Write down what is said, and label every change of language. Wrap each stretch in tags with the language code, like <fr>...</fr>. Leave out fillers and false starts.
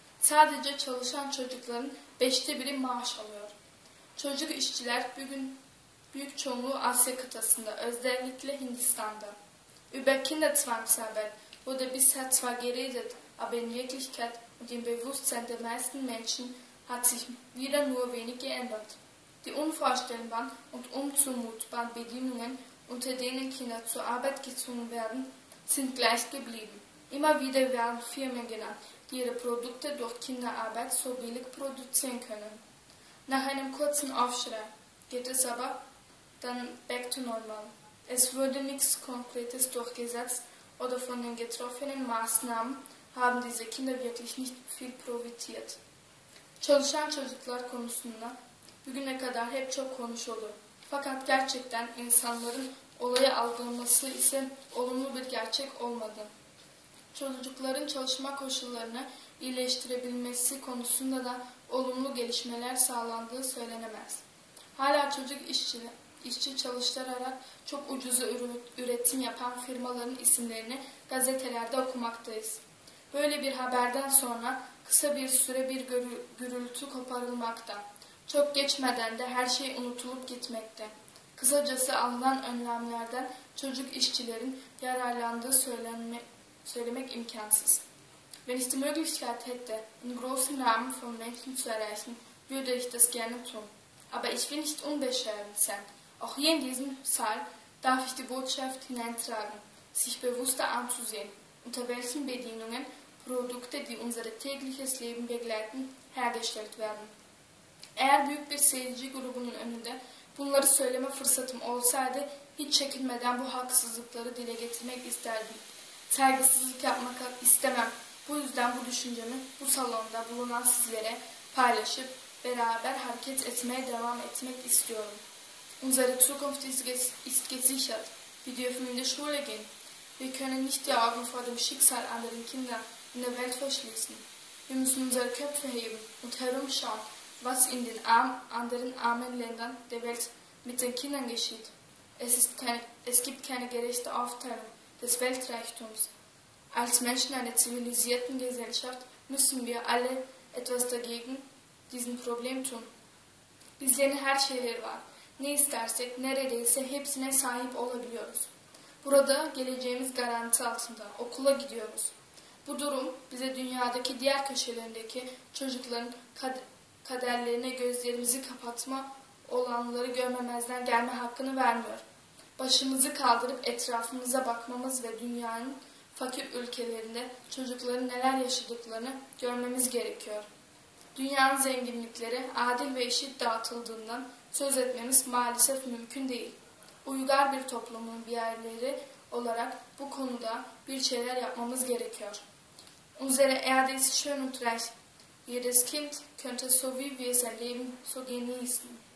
<tr>Sadece çalışan çocukların 5'te biri maaş alıyor. Çocuk işçiler bugün büyük çoğunluğu Asya kıtasında, özellikle Hindistan'da.</tr> <de>Über Kinderzwangsarbeit wurde bisher zwar geredet, aber in Wirklichkeit und im Bewusstsein der meisten Menschen hat sich wieder nur wenig geändert. Die unvorstellbaren und unzumutbaren Bedingungen, unter denen Kinder zur Arbeit gezwungen werden, sind gleich geblieben. Immer wieder werden Firmen genannt, die ihre Produkte durch Kinderarbeit so billig produzieren können. Nach einem kurzen Aufschrei geht es aber dann</de> <en>back to normal.</en> <de>Es wurde nichts Konkretes durchgesetzt oder von den getroffenen Maßnahmen haben diese Kinder wirklich nicht viel profitiert.</de> <tr>Çalışan çocuklar konusunda bugüne kadar hep çok konuşuldu. Fakat gerçekten insanların olayı algılaması ise olumlu bir gerçek olmadı. Çocukların çalışma koşullarını iyileştirebilmesi konusunda da olumlu gelişmeler sağlandığı söylenemez. Hala çocuk işçi çalıştırarak çok ucuza üretim yapan firmaların isimlerini gazetelerde okumaktayız. Böyle bir haberden sonra kısa bir süre bir gürültü koparılmakta. Çok geçmeden de her şey unutulup gitmekte. Kısacası alınan önlemlerden çocuk işçilerin yararlandığı söylemek imkansız.</tr> <de>Wenn ich die Möglichkeit hätte, einen großen Namen von Menschen zu erreichen, würde ich das gerne tun. Aber ich will nicht unbescheiden sein. Auch hier in diesem Saal darf ich die Botschaft hineintragen, sich bewusster anzusehen, unter welchen Bedingungen Produkte, die unser tägliches Leben begleiten, hergestellt werden.</de> <tr>Eğer büyük bir seyirci grubunun önünde bunları söyleme fırsatım olsaydı, hiç çekinmeden bu haksızlıkları dile getirmek isterdim. Saygısızlık yapmak istemem. Bu yüzden bu düşüncemi bu salonda bulunan sizlere paylaşıp beraber hareket etmeye devam etmek istiyorum.</tr> <de>Unsere Zukunft ist gesichert. Wir dürfen in die Schule gehen. Wir können nicht die Augen vor dem Schicksal anderen Kinder in der Welt verschließen. Wir müssen unsere Köpfe heben und herumschauen, was in den anderen armen Ländern der Welt mit den Kindern geschieht. Es gibt keine gerechte Aufteilung des Weltreichtums. Als Menschen einer zivilisierten Gesellschaft müssen wir alle etwas dagegen diesen Problem tun.</de> <tr>Bizlerin her şeyleri var. Ne istersek neredeyse hepsine sahip olabiliyoruz. Burada geleceğimiz garanti altında, okula gidiyoruz. Bu durum bize dünyadaki diğer köşelerindeki çocukların kaderlerine gözlerimizi kapatma olanları görmemezden gelme hakkını vermiyor. Başımızı kaldırıp etrafımıza bakmamız ve dünyanın fakir ülkelerinde çocukların neler yaşadıklarını görmemiz gerekiyor. Dünyanın zenginlikleri adil ve eşit dağıtıldığından söz etmemiz maalesef mümkün değil. Uygar bir toplumun bir yerleri olarak bu konuda bir şeyler yapmamız gerekiyor.</tr> <de>Unsere Erde ist schön und reich. Jedes Kind könnte so wie wir sein Leben so genießen.</de>